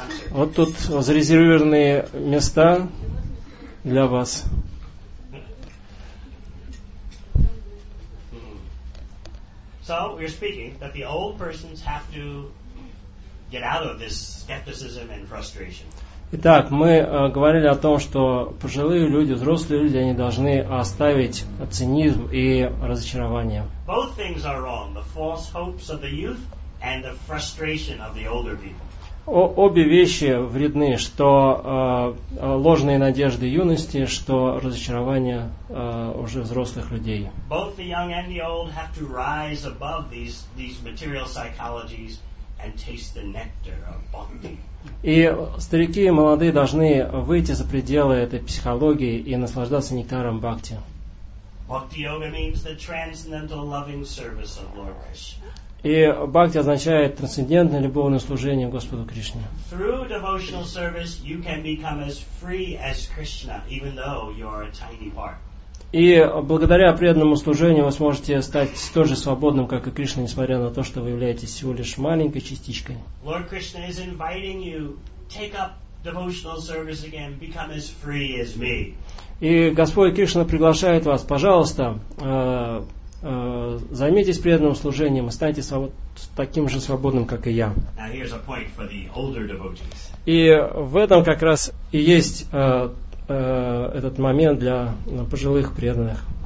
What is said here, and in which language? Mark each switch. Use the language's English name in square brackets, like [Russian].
[Russian] Вот тут зарезервированные места для вас. [English] So we're speaking that the old persons have to get out of this skepticism and frustration. [Russian] Итак, мы говорили о том, что пожилые люди, взрослые люди, они должны оставить цинизм и разочарование. [English] Both things are wrong, the false hopes of the youth and the frustration of the older people. [Russian] Обе вещи вредны, что ложные надежды юности, что разочарование уже взрослых людей. [English] Both the young and the old have to rise above these material psychologies and taste the nectar of bhakti. [Russian] И старики и молодые должны выйти за пределы этой психологии и наслаждаться нектаром бхакти. [English] Bhakti-yoga means the transcendental loving service of Lord Krishna. [Russian] И бхакти означает трансцендентное любовное служение Господу Кришне. [English] Through devotional service you can become as free as Krishna, even though you are a tiny part. [Russian] И благодаря преданному служению вы сможете стать тоже свободным, как и Кришна, несмотря на то, что вы являетесь всего лишь маленькой частичкой. [English] Lord Krishna is inviting you, take up devotional service again, become as free as me. [Russian] И Господь Кришна приглашает вас, пожалуйста, займитесь преданным служением и станьте таким же свободным, как и я. [English] Now here's a point for the older devotees. [Russian] И в этом как раз и есть этот момент для пожилых преданных.